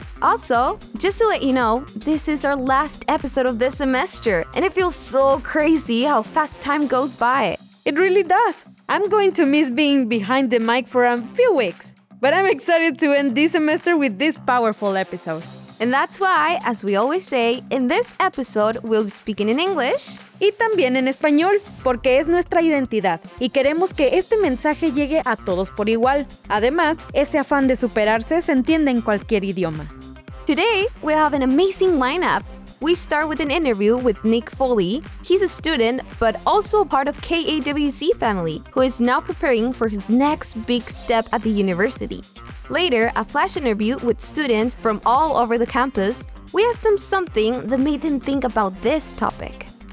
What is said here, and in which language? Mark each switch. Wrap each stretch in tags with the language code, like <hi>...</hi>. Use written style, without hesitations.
<en>Also, just to let you know, this is our last episode of this semester, and it feels so crazy how fast time goes by. It really does. I'm going to miss being behind the mic for a few weeks, but I'm excited to end this semester with this powerful episode. And that's why, as we always say, in this episode, we'll be speaking in English.</en> <es>Y también en español, porque es nuestra identidad y queremos que este mensaje llegue a todos por igual. Además, ese afán de superarse se entiende en cualquier idioma.</es> <en>Today, we have an amazing lineup. We start with an interview with Nick Foley. He's a student, but also a part of KAWC family, who is now preparing for his next big step at the university. Later, a flash interview with students from all over the campus. We asked them something that made them think about this topic.</en>